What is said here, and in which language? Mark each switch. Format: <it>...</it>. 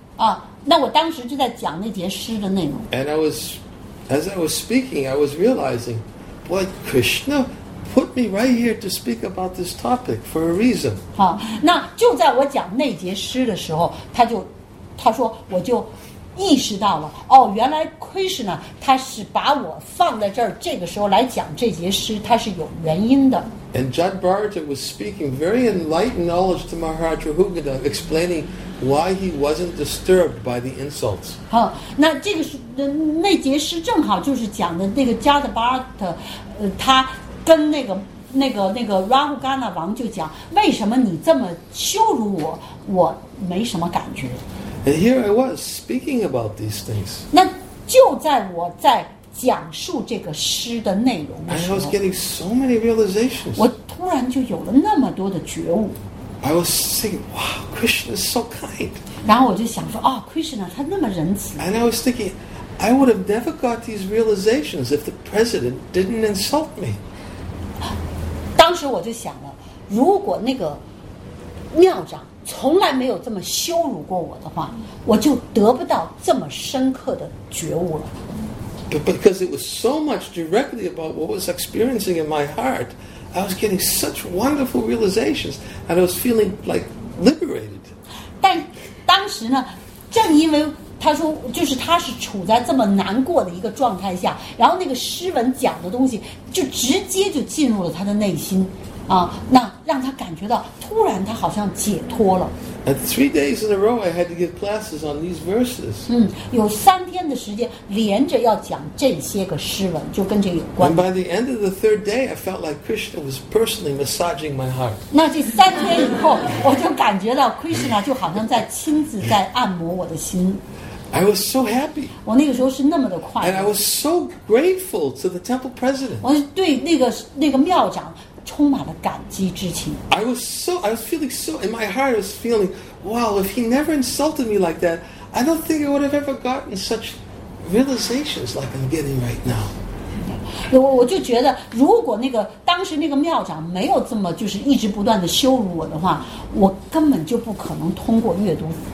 <zh>啊、oh, ，那我当时就在讲那节诗的内容。</zh> <en>And as I was speaking, I was realizing, boy, Krishna. Put me right here to speak about this topic for a reason.</en> <zh>好，那就在我讲那节诗的时候，他说我就意识到了，哦，原来 Krishna 他是把我放在这儿，这个时候来讲这节诗，他是有原因的。</zh> <en>And Jud Bharata was speaking very enlightened knowledge to Maharaj Rahugana, explaining why he wasn't disturbed by the insults.</en> <zh>好，那这个是那节诗正好就是讲的那个 Jud Bharata, 他。跟那个 Rahugana 王就讲，为什么你这么羞辱我？我没什么感觉。</zh> <en>And here I was speaking about these things.</en> <zh>那就在我在讲述这个诗的内容的时候</zh> <en>，I was getting so many realizations.</en> <zh>我突然就有了那么多的觉悟。</zh> <en>I was thinking, "Wow, Krishna is so kind."</en> <zh>然后我就想说，哦 ，Krishna 他那么仁慈。</zh> <en>And I was thinking, I would have never got these realizations if the president didn't insult me.</en> <zh>当时我就想了，如果那个庙长从来没有这么羞辱过我的话，我就得不到这么深刻的觉悟了。</zh> <en>Because it was so much directly about what was experiencing in my heart, I was getting such wonderful realizations, and I was feeling like liberated.</en> <zh>但当时呢，正因为他说，就是他是处在这么难过的一个状态下，然后那个诗文讲的东西就直接就进入了他的内心，啊，那让他感觉到突然他好像解脱了。</zh> <en>And 3 days in a row, I had to give classes on these verses.</en> <zh>嗯，有三天的时间连着要讲这些个诗文，就跟这个有关。</zh> <en>And by the end of the third day, I felt like Krishna was personally massaging my heart.</en> <zh>那这三天以后，我就感觉到 Krishna 就好像在亲自在按摩我的心。</zh> <en>I was so happy.</en> <zh>我那个时候是那么的快乐。</zh> <en>And I was so grateful to the temple president.</en> <zh>我对那个庙长充满了感激之情。</zh> <en>I was feeling so, in my heart, I was feeling, wow, if he never insulted me like that, I don't think I would have ever gotten such realizations like I'm getting right now.</en> <zh>我就觉得，如果那个当时那个庙长没有这么就是一直不断的羞辱我的话，我根本就不可能通过阅读。</zh>